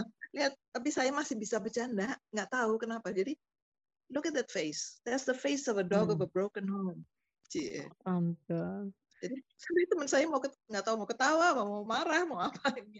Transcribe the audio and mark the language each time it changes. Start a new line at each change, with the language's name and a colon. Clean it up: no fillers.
Indonesian: Lihat, tapi saya masih bisa bercanda, gak tahu kenapa. Jadi,
English: look at that face. That's the face of a dog of a broken home.
Indonesian: Cie. Jadi teman saya nggak tahu mau ketawa, mau marah, mau apa.